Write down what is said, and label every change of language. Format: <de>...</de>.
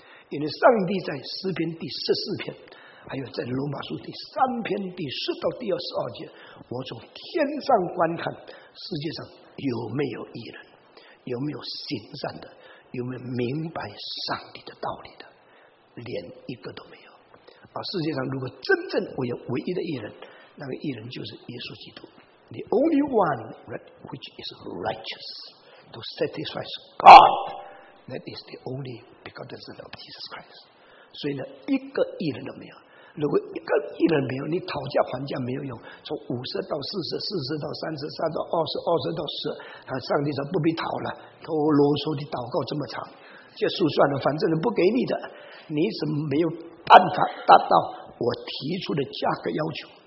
<zh>因为上帝在诗篇第十四篇，还有在罗马书第三篇第十到第二十二节，我从天上观看世界上有没有义人，有没有行善的，有没有明白上帝的道理的，连一个都没有。世界上如果真正我有唯一的义人，那个义人就是耶稣基督。</zh> <en>The only one which is righteous to satisfy God, that is the only begotten of Jesus Christ.</en> <zh>所以呢，一个义人都没有。如果一个义人没有，你讨价还价没有用。从五十到四十，四十到三十，三到二十，二十到十，上帝说不必讨了，都啰嗦的祷告这么长，结束算了，反正不给你的，你怎么没有办法达到我提出的价格要求？</zh>